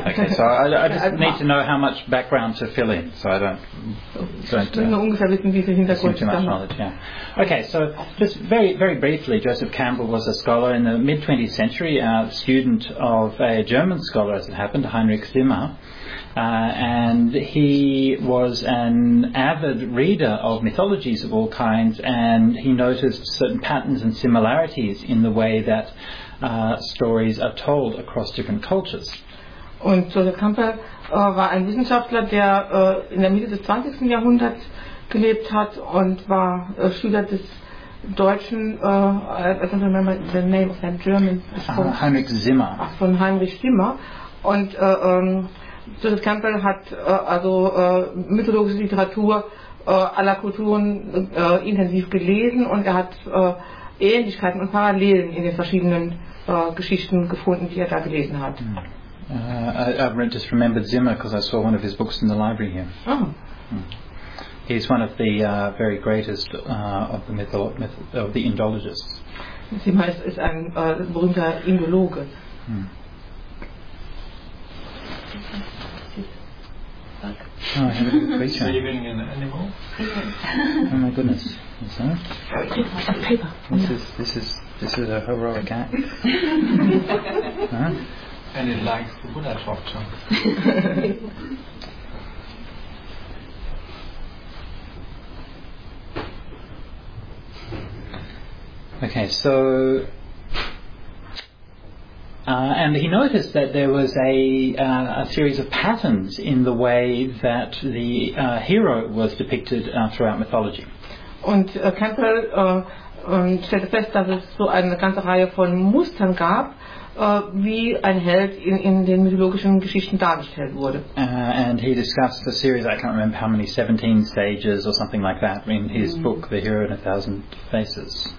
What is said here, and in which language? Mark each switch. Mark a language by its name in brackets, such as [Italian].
[English] Okay, so I just need to know how much background to fill in, so I okay, so just very, very briefly, Joseph Campbell was a scholar in the mid-20th century, a student of a German scholar, as it happened, Heinrich Zimmer, and he was an avid reader of mythologies of all kinds, and he noticed certain patterns and similarities in the way that stories are told across different cultures. [German] Und Joseph Campbell war ein Wissenschaftler, der in der Mitte des 20. Jahrhunderts gelebt hat und war Schüler des deutschen [English] I don't remember the name of that German Heinrich Zimmer. [German] Von Heinrich Zimmer. Und Joseph Campbell hat mythologische Literatur aller Kulturen intensiv gelesen, und er hat Ähnlichkeiten und Parallelen in den verschiedenen Geschichten gefunden, die er da gelesen hat. [English] I just remembered Zimmer because I saw one of his books in the library here. He's one of the very greatest of the of the Indologists. [German] Zimmer ist ein berühmter Indologe. [English] Oh, an animal? Oh my goodness. Is that? This is a heroic act. And it likes the Buddha torture. Okay, so and he noticed that there was a series of patterns in the way that the hero was depicted throughout mythology. [German] Und Campbell stellte fest, dass es so eine ganze Reihe von Mustern gab, wie ein Held in den mythologischen Geschichten dargestellt wurde. [English] And he discussed the series, I can't remember how many, 17 stages or something like that, in his book The Hero in a Thousand Faces.